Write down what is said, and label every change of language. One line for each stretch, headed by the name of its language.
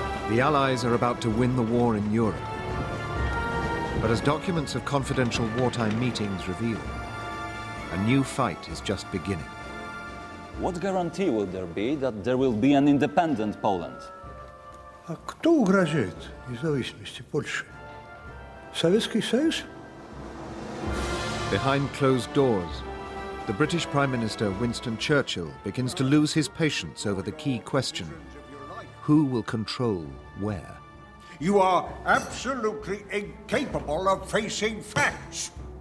English: The Allies are about to win the war in Europe. But as documents of confidential wartime meetings reveal, a new fight is just beginning. What guarantee will there be that there will be an independent Poland?
Russian: А кто угрожает независимости Польши? Советский Союз?
English: Behind closed doors, the British Prime Minister Winston Churchill begins to lose his patience over the key question: who will control where? You are absolutely incapable of facing facts.